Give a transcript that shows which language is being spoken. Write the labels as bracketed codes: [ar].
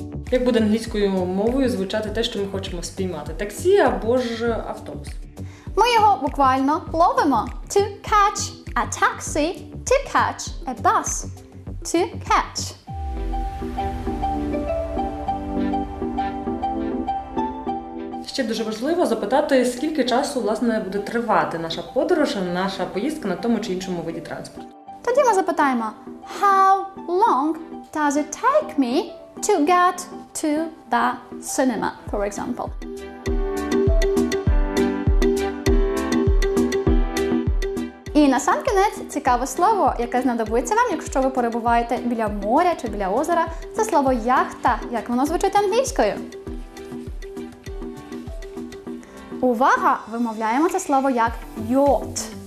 [uk] Як буде англійською мовою звучати те, що ми хочемо спіймати? Таксі або ж автобус? Ми його буквально ловимо. [en] To catch a taxi, to catch a bus, to catch. [uk] Ще дуже важливо запитати, скільки часу, власне, буде тривати наша подорож, наша поїздка на тому чи іншому виді транспорту. Тоді ми запитаємо, [en] how long does it take me to get to the cinema, for example. [uk] І на сам кінець цікаве слово, яке знадобиться вам, якщо ви перебуваєте біля моря чи біля озера. Це слово яхта. Як воно звучить англійською? Увага! Вимовляємо це слово як yacht.